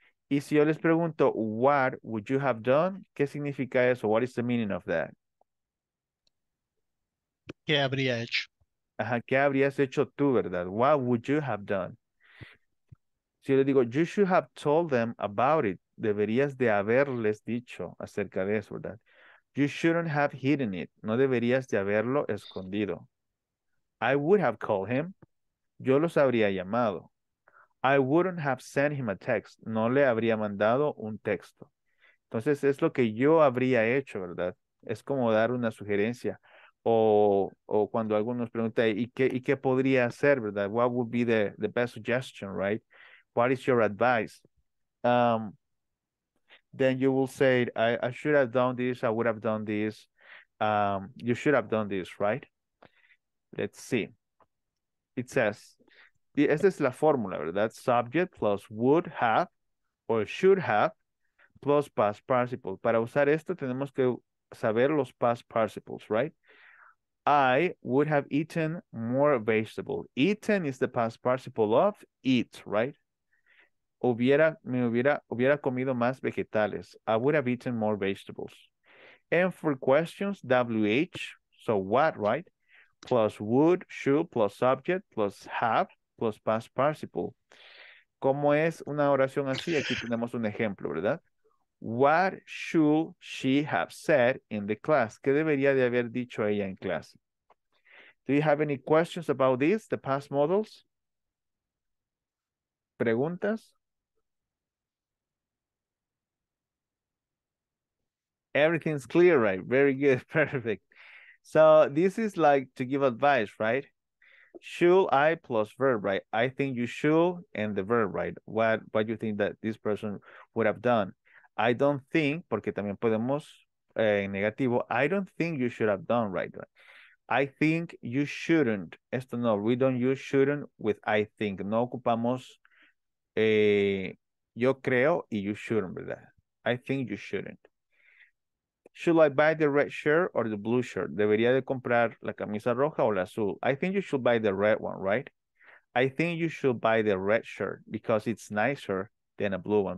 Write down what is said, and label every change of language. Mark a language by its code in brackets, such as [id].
[es] Y si yo les pregunto, [en] what would you have done? [es] ¿Qué significa eso? [en] What is the meaning of that? [es] ¿Qué habría hecho? Ajá, ¿qué habrías hecho tú, verdad? [en] What would you have done? [es] Si yo le digo, [en] you should have told them about it. [es] Deberías de haberles dicho acerca de eso, ¿verdad? [en] You shouldn't have hidden it. [es] No deberías de haberlo escondido. [en] I would have called him. [es] Yo los habría llamado. [en] I wouldn't have sent him a text. [es] No le habría mandado un texto. Entonces, es lo que yo habría hecho, ¿verdad? Es como dar una sugerencia. o cuando alguno nos pregunta, ¿y qué podría hacer, verdad? [en] What would be the best suggestion, right? What is your advice? Then you will say, I should have done this, I would have done this. You should have done this, right? Let's see. It says, [es] esta es la fórmula, ¿verdad? [en] Subject plus would have or should have plus past participle. [es] Para usar esto tenemos que saber los past participles, [en] right? I would have eaten more vegetables. Eaten is the past participle of eat, right? [es] Hubiera comido más vegetales. [en] I would have eaten more vegetables. And for questions, WH, so what, right? Plus would, should, plus subject, plus have, plus past participle. [es] ¿Cómo es una oración así? Aquí tenemos un ejemplo, ¿verdad? [en] What should she have said in the class? [es] ¿Qué debería de haber dicho ella en clase? [en] Do you have any questions about this, the past models? [es] ¿Preguntas? [en] Everything's clear, right? Very good. Perfect. So this is like to give advice, right? Should I plus verb, right? I think you should and the verb, right? What do you think that this person would have done? I don't think, [es] porque también podemos en negativo, [en] I don't think you should have done, right? I think you shouldn't. [es] Esto no, [en] we don't use shouldn't with I think. [es] No ocupamos yo creo y [en] you shouldn't, [es] ¿verdad? [en] I think you shouldn't. Should I buy the red shirt or the blue shirt? [es] ¿Debería de comprar la camisa roja o la azul? [en] I think you should buy the red one, right? I think you should buy the red shirt because it's nicer than a blue one.